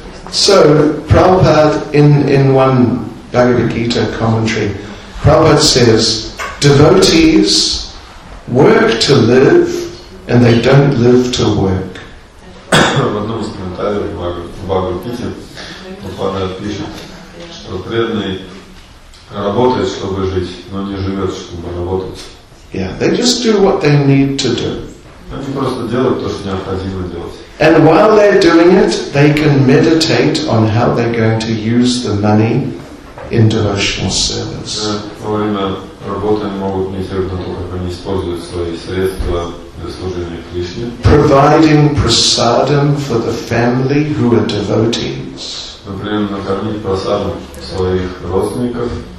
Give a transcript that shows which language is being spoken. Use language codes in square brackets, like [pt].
[en] So, Prabhupada, in one Bhagavad Gita commentary, Prabhupada says, devotees work to live, and they don't live to work. [ru] В одном из комментариев в Бхагавад Гите Прабхупада пишет, что преданный работает, чтобы жить, но не живет, чтобы работать. [en] Yeah, they just do what they need to do. [ru] Они просто делают то, что необходимо делать. [en] And while they're doing it, they can meditate on how they're going to use the money in devotional service. [ru] Во время работы они могут медитировать на то, как они используют свои средства для служения Кришне. [en] Providing prasadam for the family who are devotees. [ru] Например, накормить прасадом своих родственников.